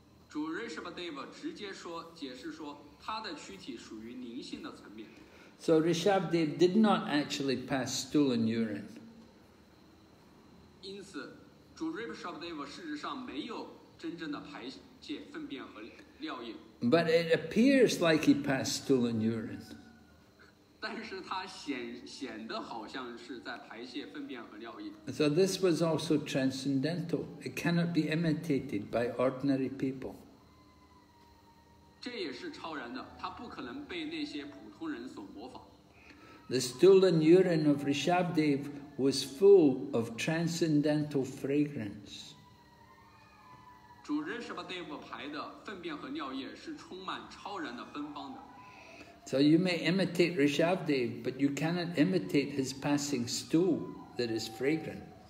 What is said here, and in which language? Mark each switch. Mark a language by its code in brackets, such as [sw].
[zh] 主 Rishabhdev 直接说，解释说，他的躯体属于灵性的层面。 [en] So Rishabhdev did not actually pass stool and urine. [zh] 因此，主 Rishabhdev 事实上没有真正的排泄、粪便和尿液。 [en] But it appears like he passed stool and urine. [zh] 但是他显得好像是在排泄粪便和尿液。 [en] So this was also transcendental. It cannot be imitated by ordinary people. [zh] 这也是超然的，他不可能被那些普通人所模仿。 [en] The stool and urine of Rishabhdev was full of transcendental fragrance. [zh] 主 Rishabhdev 排的粪便和尿液是充满超然的芬芳的。 [en] So you may imitate Rishabhdev, but you cannot imitate his passing stool that is fragrant.